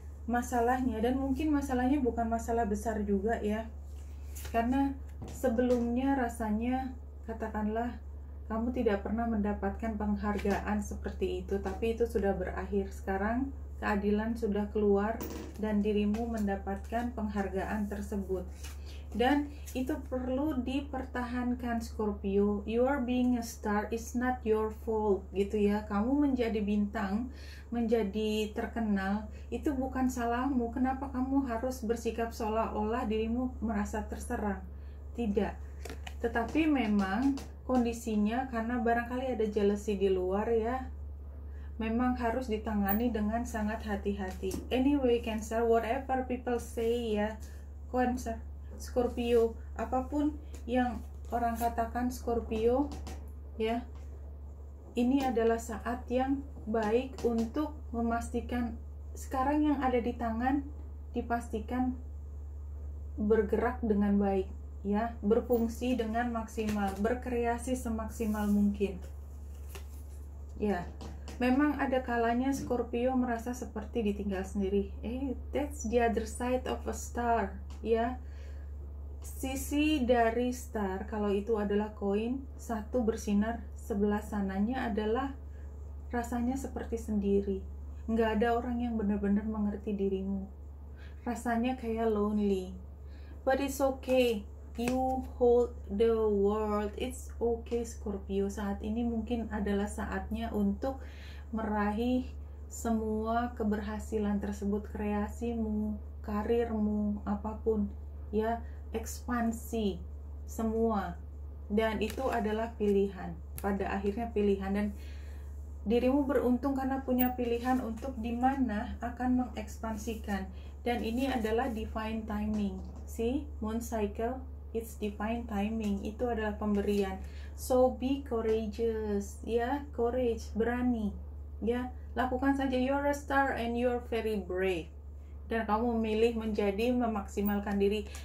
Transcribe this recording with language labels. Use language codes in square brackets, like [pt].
[id] Masalahnya, dan mungkin masalahnya bukan masalah besar juga ya, karena sebelumnya rasanya, katakanlah, kamu tidak pernah mendapatkan penghargaan seperti itu, tapi itu sudah berakhir. Sekarang keadilan sudah keluar dan dirimu mendapatkan penghargaan tersebut. Dan itu perlu dipertahankan, Scorpio. [en] You are being a star, it's not your fault, [id] gitu ya. Kamu menjadi bintang, menjadi terkenal, itu bukan salahmu. Kenapa kamu harus bersikap seolah-olah dirimu merasa terserang? Tidak. Tetapi memang kondisinya, karena barangkali ada jealousy di luar ya, memang harus ditangani dengan sangat hati-hati. [en] Anyway, [id] Cancer, [en] whatever people say [id] ya, Cancer, Scorpio, apapun yang orang katakan, Scorpio, ya, ini adalah saat yang baik untuk memastikan sekarang yang ada di tangan dipastikan bergerak dengan baik, ya, berfungsi dengan maksimal, berkreasi semaksimal mungkin. Ya, memang ada kalanya Scorpio merasa seperti ditinggal sendiri. [en] That's the other side of a star, ya. [id] Sisi dari star, kalau itu adalah koin, satu bersinar, sebelah sananya adalah rasanya seperti sendiri. Nggak ada orang yang benar-benar mengerti dirimu. Rasanya kayak lonely. [en] But it's okay. You hold the world. It's okay, Scorpio. [id] Saat ini mungkin adalah saatnya untuk meraih semua keberhasilan tersebut, kreasimu, karirmu, apapun, ya, ekspansi semua. Dan itu adalah pilihan, pada akhirnya pilihan, dan dirimu beruntung karena punya pilihan untuk di mana akan mengekspansikan. Dan ini adalah divine timing. [en] See, moon cycle, it's divine timing. [id] Itu adalah pemberian. [en] So be courageous, ya, courage, berani. [id] Ya, lakukan saja. [en] You're a star and you're very brave. [id] Dan kamu memilih menjadi memaksimalkan diri.